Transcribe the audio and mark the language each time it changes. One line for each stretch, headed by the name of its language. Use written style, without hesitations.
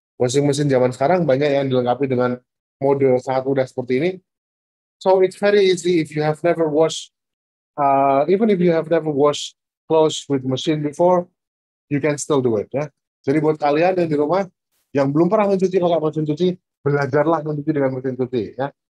Indonesian: Washing machine zaman sekarang banyak yang dilengkapi dengan model saat udah seperti ini.
English: So it's very easy if you have never washed, even if you have never washed clothes with machine before, you can still do it ya.
Indonesian: Jadi buat kalian yang di rumah yang belum pernah mencuci pakai mesin cuci, belajarlah mencuci dengan mesin cuci ya.